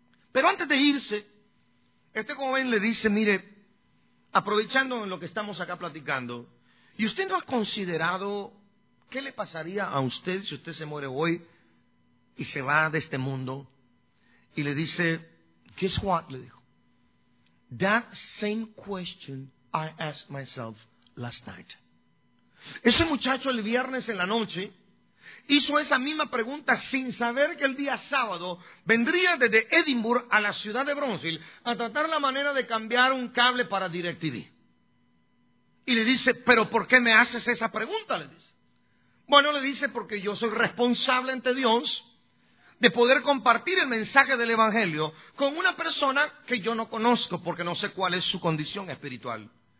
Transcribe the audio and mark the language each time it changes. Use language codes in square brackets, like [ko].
[es] Pero antes de irse, este joven le dice: mire, aprovechando en lo que estamos acá platicando, ¿y usted no ha considerado qué le pasaría a usted si usted se muere hoy y se va de este mundo? Y le dice: [en] guess what, [es] le dijo. [en] That same question I asked myself last night. [es] Ese muchacho el viernes en la noche hizo esa misma pregunta sin saber que el día sábado vendría desde Edimburgo a la ciudad de Brownsville a tratar la manera de cambiar un cable para DirecTV. Y le dice: ¿pero por qué me haces esa pregunta? Le dice. Bueno, le dice, porque yo soy responsable ante Dios de poder compartir el mensaje del evangelio con una persona que yo no conozco, porque no sé cuál es su condición espiritual.